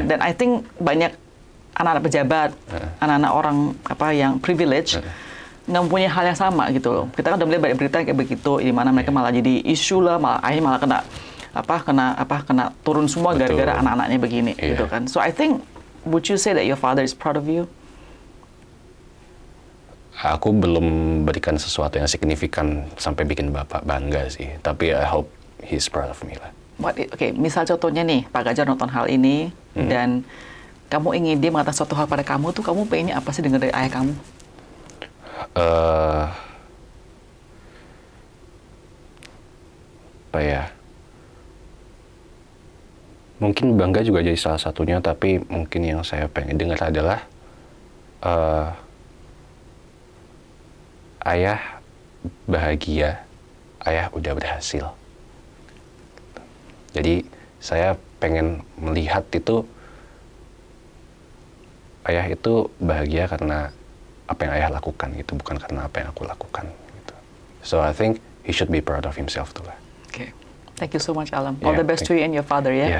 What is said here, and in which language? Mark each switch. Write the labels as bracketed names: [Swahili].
[Indonesian] Yeah. Dan [English] I think [Indonesian] banyak anak-anak pejabat, anak-anak orang apa yang privilege. Nggak mempunyai hal yang sama gitu loh. Kita kan udah melihat banyak berita kayak begitu, di mana mereka malah jadi isu lah, malah akhirnya malah kena turun semua. Betul. Gara-gara anak-anaknya begini, gitu kan. [English] So I think, would you say that your father is proud of you? [Indonesian] Aku belum berikan sesuatu yang signifikan sampai bikin bapak bangga sih, tapi [English] I hope he's proud of me [Indonesian] lah. Okay, misal contohnya nih, Pak Ganjar nonton hal ini, dan kamu ingin dia mengatakan suatu hal pada kamu, tuh kamu pengennya apa sih dengar dari ayah kamu? Apa ya, mungkin bangga juga jadi salah satunya, tapi mungkin yang saya pengen dengar adalah ayah bahagia, ayah udah berhasil. Jadi saya pengen melihat itu ayah itu bahagia karena apa yang ayah lakukan gitu, bukan karena apa yang aku lakukan gitu. [English] So I think he should be proud of himself too lah. Okay. Thank you so much, Alam. All the best to you and your father, yeah?